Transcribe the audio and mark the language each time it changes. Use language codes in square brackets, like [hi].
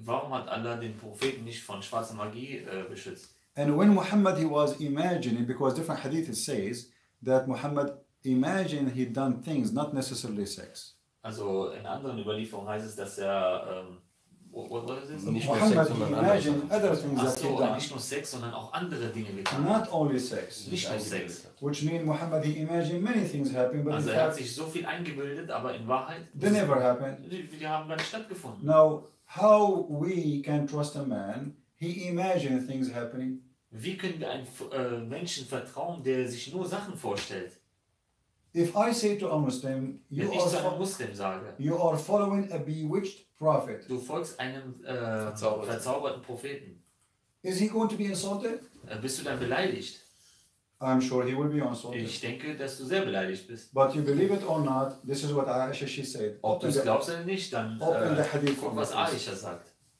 [de] Warum hat Allah den Propheten nicht von schwarzer Magie beschützt? [en] And when Muhammad he was imagining, because different hadith says that Muhammad imagined he'd done things, not necessarily sex. [de] Also in anderen Überlieferungen heißt es, dass er nicht [en] Muhammad imagined other things that he done. [de] Nicht nur Sex, sondern auch andere Dinge getan. [en] Not only sex. [de] Nicht nur Sex. [en] Which means Muhammad he imagined many things happened, but [de] also er hat sich so viel eingebildet, aber in Wahrheit. [en] They never happened. [de] Die haben gar nicht stattgefunden. [en] Now, how we can trust a man? He imagined things happening. [de] Wie können wir einem Menschen vertrauen, der sich nur Sachen vorstellt? [en] If I say to a Muslim, you [de] wenn ich zu einem Muslim sage, [en] you are following a bewitched prophet. [de] Du folgst einem verzauberten Propheten. [en] Is he going to be insulted? [de] Bist du dann beleidigt? [en] I'm sure he will be insulted. [de] Ich denke, dass du sehr beleidigt bist. [en] But you believe it or not, this is what Aisha she said. [de] Ob du es glaubst oder nicht, dann guck, was Aisha sagt.